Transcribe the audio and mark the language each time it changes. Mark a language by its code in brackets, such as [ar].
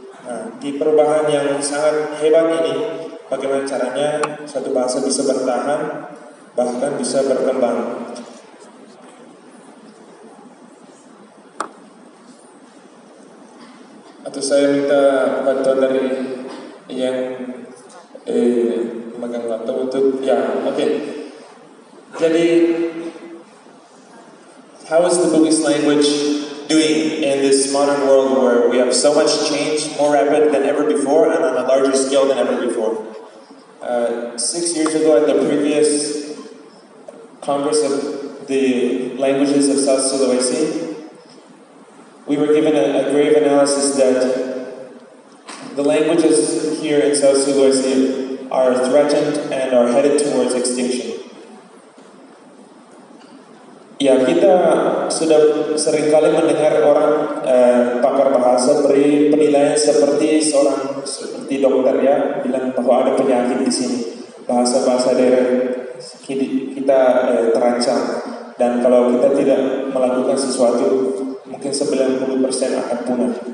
[id] Nah, di perubahan yang sangat hebat ini, bagaimana caranya satu bahasa bisa bertahan, bahkan bisa berkembang. Atau saya minta bantuan dari yang memegang laptop untuk, ya, oke. [en] Jadi, how is the Bugis language doing in this modern world where we have so much change, more rapid than ever before, and on a larger scale than ever before? 6 years ago at the previous Congress of the Languages of South Sulawesi, we were given a grave analysis that the languages here in South Sulawesi are threatened and are headed towards extinction. [id] Ya, kita sudah seringkali mendengar orang pakar bahasa beri penilaian seperti dokter ya, bilang bahwa ada penyakit di sini, bahasa-bahasa daerah kita terancam, dan kalau kita tidak melakukan sesuatu mungkin 90% akan punah.